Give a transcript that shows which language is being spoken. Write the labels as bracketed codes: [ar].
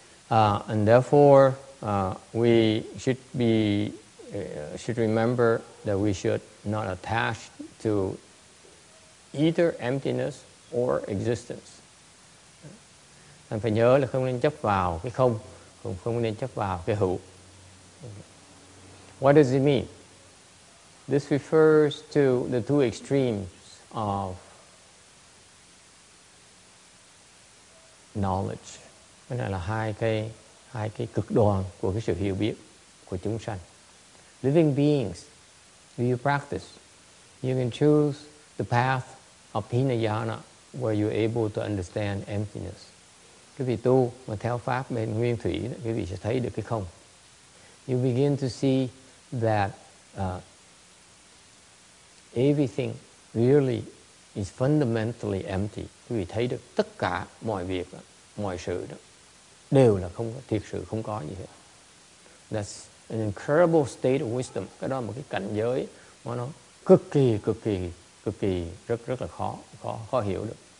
[en] And therefore, we should be should remember that we should not attach to either emptiness or existence. [vi] Nên phải nhớ là không nên chấp vào cái không, cũng không nên chấp vào cái hữu. [en] What does it mean? This refers to the two extremes of knowledge. [vi] Cái này là hai cái cực đoan của cái sự hiểu biết của chúng sanh. [en] Living beings, do you practice? You can choose the path of Hinayana where you're able to understand emptiness. [vi] Quý vị tu mà theo pháp bên nguyên thủy, quý vị sẽ thấy được cái không. [en] You begin to see that everything really is fundamentally empty. [vi] Quý vị thấy được tất cả mọi việc, mọi sự đó, đều là không, thiệt sự không có gì hết. [en] That's an incredible state of wisdom. [vi] Cái đó là một cái cảnh giới mà nó cực kỳ rất rất là khó hiểu được.